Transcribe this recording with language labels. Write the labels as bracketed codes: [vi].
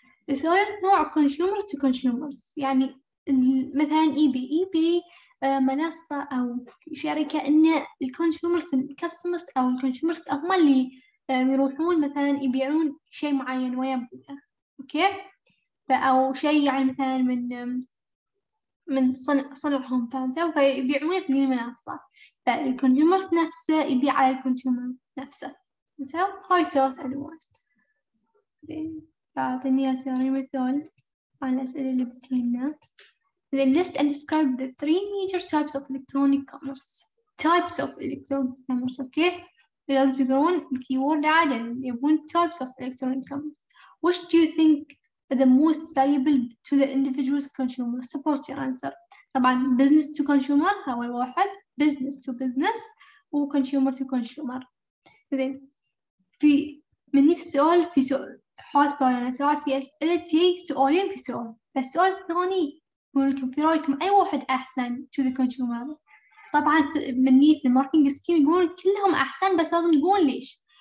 [ar] ثالث نوع consumers to consumers، يعني مثلا eBay منصة أو شركة، إن الكونسيومرز الكاستمرز أو الكونسيومرز هم اللي يروحون مثلا يبيعون شيء معين ويبدأ، أوكي؟ أو شيء يعني مثلا من صنعهم، فهمت؟ فيبيعونه في المنصة، فالكونسيومر نفسه يبيع على الكونسيومر نفسه، فهمت؟ هاي ثلاث أنواع. زين، فأعطيني أسامي مثال على الأسئلة اللي بتينا. [en] Then list and describe the three major types of electronic commerce. Types of electronic commerce, okay? [ar] لازم تقرون الكيورد عدل، يبون types of electronic commerce. [en] Which do you think the most valuable to the individual's consumer? Support your answer. طبعا business to consumer [ar] هو الواحد، [en] business to business و consumer to consumer. [ar] Then, في من نفس السؤال في سؤال حاس بايانا سؤال في أسئلة سؤالين في سؤال، بس السؤال الثاني ممكن في رأيكم أي واحد أحسن [en] to the consumer؟ [ar] طبعا مني في الماركتينج سكيم يقولون كلهم أحسن، بس لازم تقول ليش.